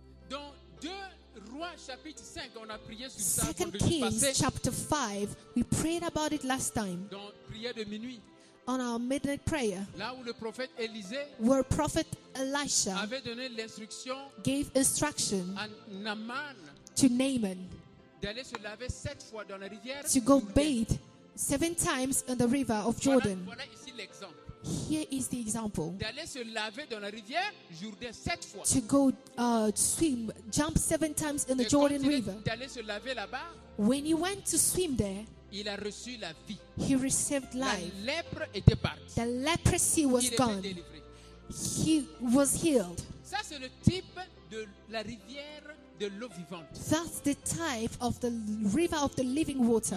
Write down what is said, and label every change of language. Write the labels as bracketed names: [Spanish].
[French] Dans 2 Rois chapitre 5, on a prié sur ça. [English] Second Kings chapter 5, we prayed about it last time. [French] Dans prière de minuit. [English] On our midnight prayer. [French] Là où le prophète Élisée, [English] where prophet Elisha [French] avait donné l'instruction, [English] gave instruction [French] à Naaman, [English] to Naaman, [French] d'aller se laver 7 fois dans la rivière, [English] to go bathe 7 times in the river of Jordan. [French] Voilà ici l'exemple. [English] Here is the example. [French] D'aller se laver dans la rivière Jourdain 7 fois. [English] To go swim, jump 7 times in the [French] et [English] Jordan River. [French] D'aller se laver là-bas. [English] When he went to swim there, [French] il a reçu la vie. [English] He received life. [French] La lèpre était partie. [English] The leprosy was [French] il [English] gone. [French] Délivré. [English] He was healed. [French] Ça c'est le type de la rivière de l'eau vivante. [English] That's the type of the river of the living water.